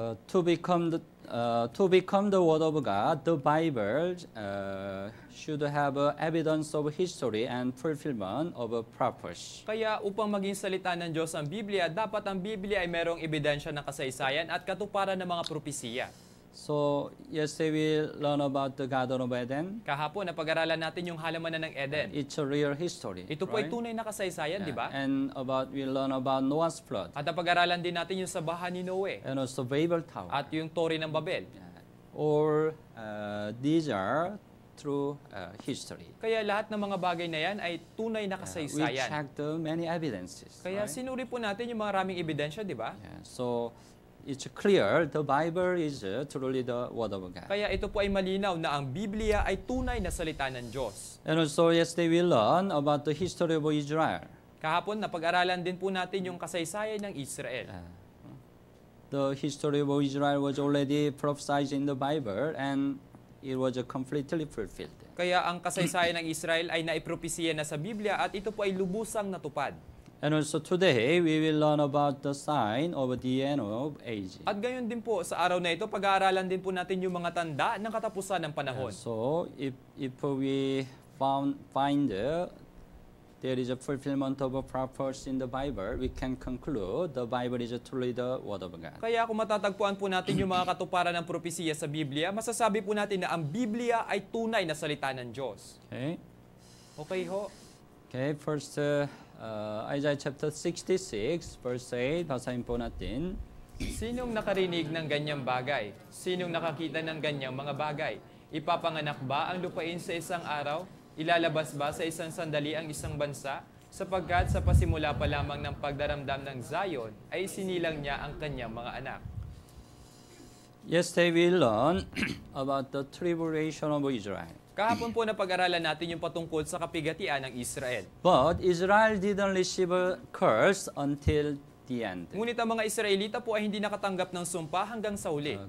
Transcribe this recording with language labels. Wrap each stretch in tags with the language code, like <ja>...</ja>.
<en>To become the Word of God, the Bible should have evidence of history and fulfillment of a prophecy.</en> <tl>Kaya upang maging salita ng Diyos ang Biblia, dapat ang Biblia ay merong ebidensya ng kasaysayan at katuparan ng mga propesiya.</tl> <en>So, yesterday we learn about the Garden of Eden.</en> <tl>Kahapon, napag-aralan natin yung halamanan ng Eden.</tl> <en>It's a real history.</en> <tl>Ito po</tl> <en>right?</en> <tl>Ay tunay na kasaysayan, di ba?</tl> <en>And about we learn about Noah's flood.</en> <tl>At napag-aralan din natin yung sa bahay ni Noe.</tl> <en>And also Babel Tower.</en> <tl>At yung tore ng Babel.</tl> <en>Or these are true history.</en> <tl>Kaya lahat ng mga bagay na yan ay tunay na kasaysayan.</tl> <en>We checked many evidences.</en> <tl>Kaya</tl> <en>right?</en> <tl>Sinuri po natin yung maraming ebidensya, di ba?</tl> <en>So, it's clear the Bible is truly the Word of God.</en> <tl>Kaya ito po ay malinaw na ang Biblia ay tunay na salita ng Diyos.</tl> <en>And also yesterday we learned about the history of Israel.</en> <tl>Kahapon napag-aralan din po natin yung kasaysayan ng Israel.</tl> <en>The history of Israel was already prophesied in the Bible and it was completely fulfilled.</en> <tl>Kaya ang kasaysayan ng Israel ay naipropesiya na sa Biblia at ito po ay lubusang natupad.</tl> <en>And also today, we will learn about the sign of the end of age.</en> <tl>At gayon din po, sa araw na ito, pag-aaralan din po natin yung mga tanda ng katapusan ng panahon.</tl> <en>And so, if we find there is a fulfillment of a prophecy in the Bible, we can conclude the Bible is truly the Word of God.</en> <tl>Kaya kung matatagpuan po natin yung mga katuparan ng propesiya sa Biblia, masasabi po natin na ang Biblia ay tunay na salita ng Diyos.</tl> <en>Okay.</en> <tl>Okay ho.</tl> <en>Okay, first... Isaiah chapter 66, verse 8,</en> <tl>basahin po natin. Sinong nakarinig ng ganyang bagay? Sinong nakakita ng ganyang mga bagay? Ipapanganak ba ang lupain sa isang araw? Ilalabas ba sa isang sandali ang isang bansa? Sapagkat sa pasimula pa lamang ng pagdaramdam ng Zion, ay sinilang niya ang kanyang mga anak.</tl> <en>Yesterday we learned about the tribulation of Israel.</en> <tl>Kahapon po na pag-aralan natin yung patungkol sa kapighatian ng Israel.</tl> <en>But Israel didn't receive a curse until the end.</en> <tl>Ngunit ang mga Israelita po ay hindi nakatanggap ng sumpa hanggang sa uli.</tl>